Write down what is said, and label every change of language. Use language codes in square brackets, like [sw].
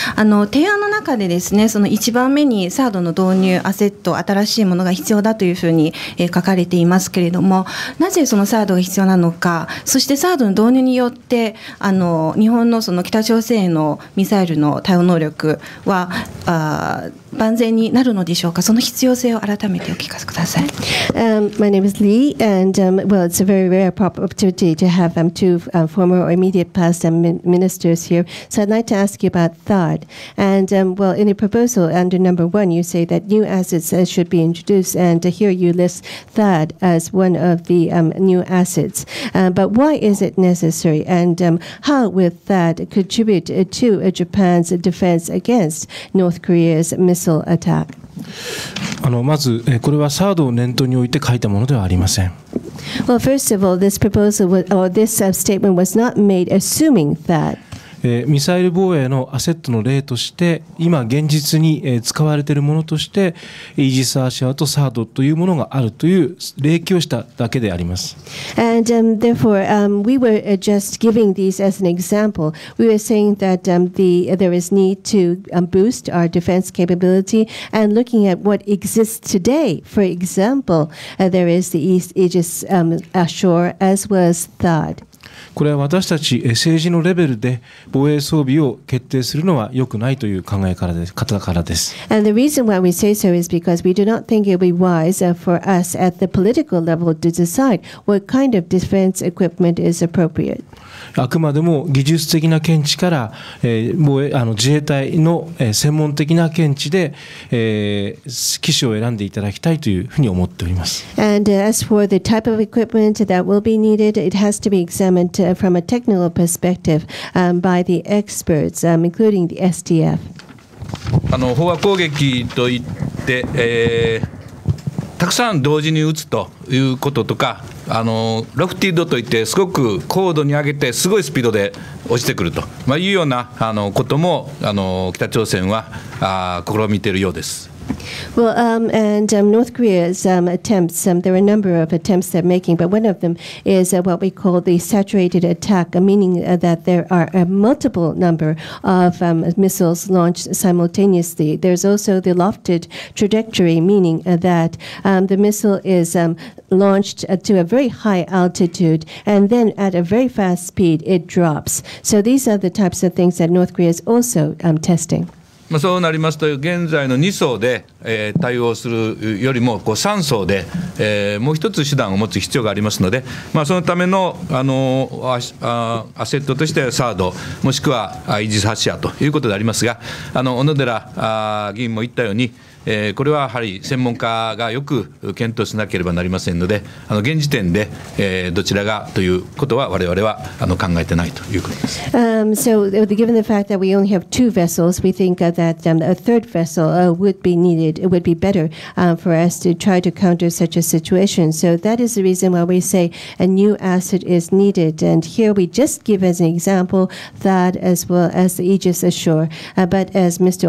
[ja] 提案の中でですね、その1番目にサードの導入、アセット、新しいものが必要だというふうに書かれていますけれども、なぜそのサードが必要なのか、そしてサードの導入によって日本 の、 その北朝鮮へのミサイルの対応能力は万全になるのでしょうか。その必要性を改めてお聞かせください。 [en] My name is Lee, and well, it's a very rare opportunity to have two former or immediate past ministers here. So I'd like to ask you about THAAD. And well, in your proposal under number one, you say that new assets should be introduced, and here you list THAAD as one of the new assets. But why is it necessary, and how will THAAD contribute to Japan's defense against North Korea's missile attack? [ja] まずこれはサードを念頭に置いて書いたものではありません。 [en] Well, first of all, this proposal was, or this statement was not made assuming that. [ja] ミサイル防衛のアセットの例として今現実に使われているものとしてイージスアシアとサードというものがあるという例記をしただけであります。 [en] And therefore we were just giving these as an example. We were saying that there is need to boost our defense capability and looking at what exists today. For example, there is the East Aegis Ashore as well as THAAD. [ja] これは私たち政治のレベルで防衛装備を決定するのは良くないという考えからです、方からです。 [en] And the reason why we say so is because we do not think it would be wise for us at the political level to decide what kind of defense equipment is appropriate. [ja] あくまでも技術的な見地から、自衛隊の専門的な見地で、機種を選んでいただきたいというふうに思っております。 [en] And as for the type of equipment that will be needed, it has to be examined. From a technical perspective, by the experts, including the STF. [ja] 飽和攻撃といって、たくさん同時に撃つということとか、ロフティードといってすごく高度に上げてすごいスピードで落ちてくると、まあ、いうようなことも北朝鮮は試みているようです。 [en] Well, and North Korea's attempts, there are a number of attempts they're making, but one of them is what we call the saturated attack, meaning that there are a multiple number of missiles launched simultaneously. There's also the lofted trajectory, meaning that the missile is launched to a very high altitude, and then at a very fast speed, it drops. So these are the types of things that North Korea is also testing. [ja] まあ、そうなりますと現在の2層で対応するよりもこう3層でもう一つ手段を持つ必要がありますので、まあそのためのアセットとしてサードもしくはイージス発射ということでありますが、小野寺議員も言ったようにこれはやはり専門家がよく検討しなければなりませんので、現時点でどちらがということは我々は考えてないということです。 [en] So given the fact that we only have two vessels, we think that a third vessel would be needed. It would be better for us to try to counter such a situation. So that is the reason why we say a new asset is needed. And here we just give as an example that as well as the Aegis Ashore. But as Mr.